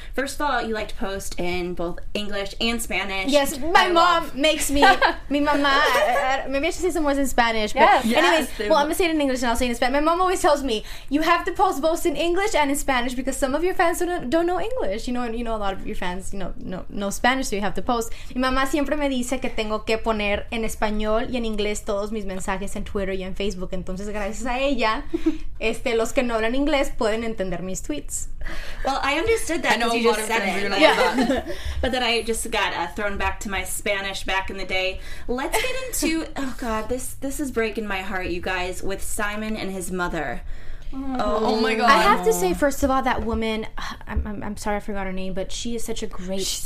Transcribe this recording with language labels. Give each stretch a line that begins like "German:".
English: First of all, you like to post in both English and Spanish. Yes, my mom makes me,
Spanish: mi mamá,
English: maybe I should say some words in Spanish. Yes. But yes, anyways, I'm going to say it in English and I'll say it in Spanish. My mom always tells me, you have to post both in English and in Spanish because some of your fans don't know English. You know, and you know a lot of your fans, you know Spanish, so you have to post.
Spanish: Mi mamá siempre me dice que tengo que poner en español y en inglés todos mis mensajes en Twitter y en Facebook. Entonces, gracias a ella, los que no hablan inglés pueden entender mis tweets.
English: Well, I understood that. I know you a just lot of said it. Really But then I just got thrown back to my Spanish back in the day. Let's get into, oh God, this is breaking my heart, you guys, with Simon and his mother. Oh my God. I have to say, first of all, that woman, I'm sorry I forgot her name, but she is such a great actress.